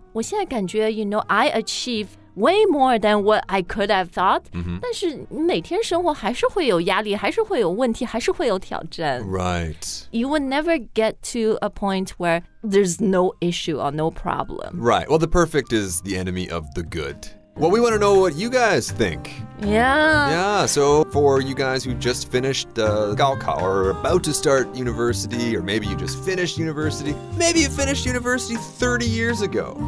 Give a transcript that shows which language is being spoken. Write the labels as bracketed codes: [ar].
[zh] 我现在感觉 [en] you know, I achieveway more than what I could have thought、 mm-hmm. [zh] 但是每天生活还是会有压力还是会有问题还是会有挑战 [en] Right You would never get to a point where there's no issue or no problem Right, well the perfect is the enemy of the good Well we want to know what you guys think Yeah Yeah, so for you guys who just finished Gaokao or about to start university or maybe you just finished university Maybe you finished university 30 years ago